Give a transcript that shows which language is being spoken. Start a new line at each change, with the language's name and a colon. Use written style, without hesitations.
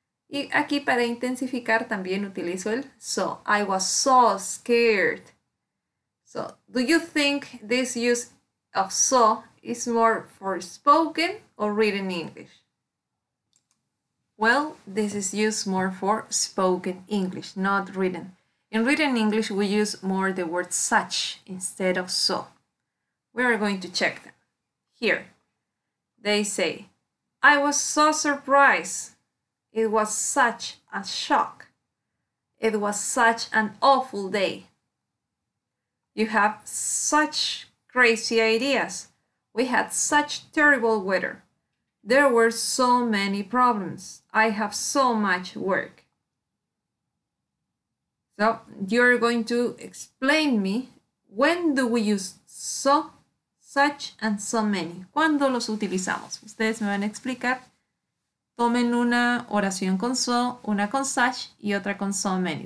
Spanish: Y aquí para intensificar también utilizo el so.
English: I was so scared. So, do you think this use of so is more for spoken or written English? Well, this is used more for spoken English, not written. In written English, we use more the word such instead of so. We are going to check them. Here, they say, I was so surprised. It was such a shock. It was such an awful day. You have such crazy ideas. We had such terrible weather. There were so many problems. I have so much work. So, you're going to explain me, when do we use so, such, and so many?
Spanish: ¿Cuándo los utilizamos? Ustedes me van a explicar. Tomen una oración con so, una con such, y otra con so many.